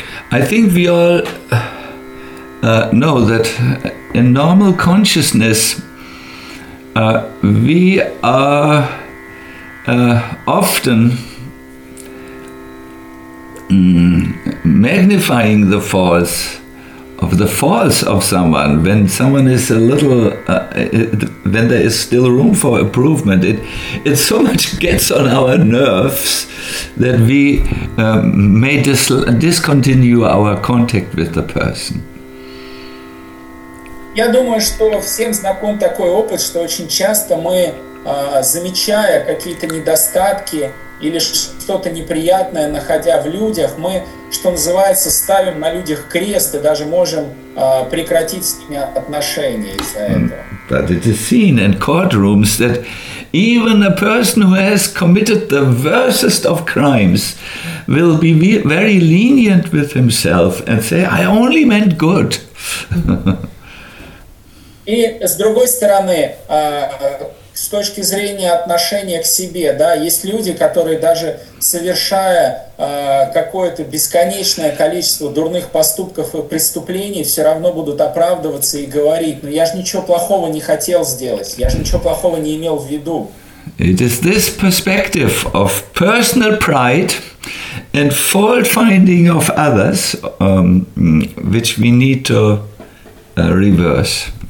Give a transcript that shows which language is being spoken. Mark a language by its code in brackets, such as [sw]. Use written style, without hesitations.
[en] I think we all know that in normal consciousness we are often magnifying the faults of the faults of someone, when someone is a little, when there is still room for improvement, it so much gets on our nerves that we may discontinue our contact with the person. [ru] Я думаю, что всем знаком такой опыт, что очень часто мы, замечая какие-то недостатки или что-то неприятное, находя в людях, мы, что называется, ставим на людях крест и даже можем прекратить с ними отношения из-за этого. [en] But it is seen in courtrooms that even a person who has committed the worstest of crimes will be very lenient with himself and say, I only meant good. [ru] И с другой стороны, с точки зрения отношения к себе, да, есть люди, которые даже совершая какое-то бесконечное количество дурных поступков и преступлений, все равно будут оправдываться и говорить, ну я же ничего плохого не хотел сделать, я же ничего плохого не имел в виду. [en] It is this perspective of personal pride and fault-finding of others, which we need to reverse.